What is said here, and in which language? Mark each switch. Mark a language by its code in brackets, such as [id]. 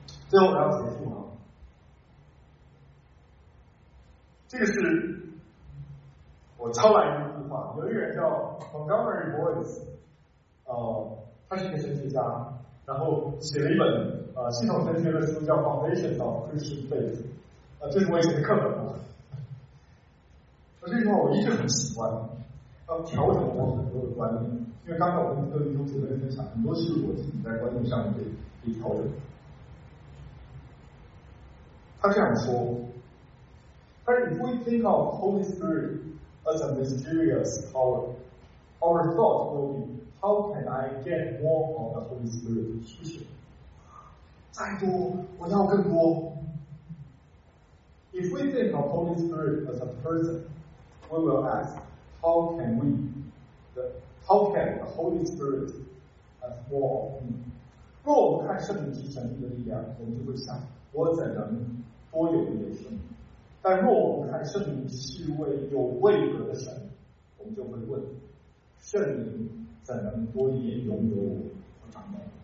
[zh] 最后我要结束啊，这个是我抄来的一句话，有一个人叫 Montgomery Boyce， 他是一个神学家，然后写了一本系统神学的书，叫 Foundations of Christian Faith， 这是我以前的课本啊。这句话我一直很喜欢，调整我很多的观念，因为刚才我跟各位弟兄姐妹分享，很多事我自己在观念上也调整。他这样说。 [en] But if we think of Holy Spirit as a mysterious power, our thought will be, how can I get more from the Holy Spirit? [zh] 是不是？再多，我要更多。 [en] If we think of Holy Spirit as a person, we will ask, how can the Holy Spirit have more of me? [zh] 若我们看圣灵及神的力量，我们就会想，我怎能多有一点神？但若我们看圣灵是一位有位格的神，我们就会问，圣灵怎能多一点拥有我和掌管？